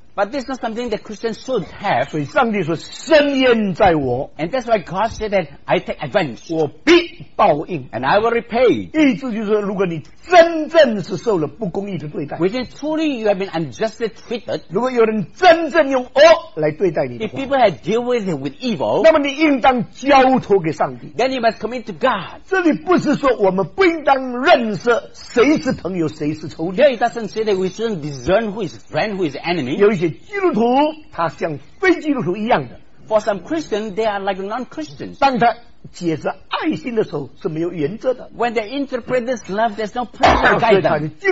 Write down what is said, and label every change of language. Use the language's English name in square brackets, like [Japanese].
[English] but this is not something that Christians should have. [Chinese] 所以上帝说深冤在我, [English] and that's why God said that I take revenge, [Chinese] 我必报应, [English] and I will repay. [Chinese] 意思就是如果你真正是受了不公义的对待, [English] which is truly you have been unjustly treated, [Chinese] 如果有人真正用恶来对待你的话, [English] if people have dealt with it with evil, [Chinese] 那么你应当交托给上帝, [English] then you must commit to God. [Chinese] 这里不是说我们不应当认识谁是朋友谁是仇敌, [English] here it doesn't say that we shouldn't discern who is friend who is enemy. [Chinese] 基督徒他像非基督徒一样的, [English] for some Christians they are like non-Christians. [Chinese] 当他解释爱心的时候是没有原则的, [English] when they interpret this love there's no personal guidance.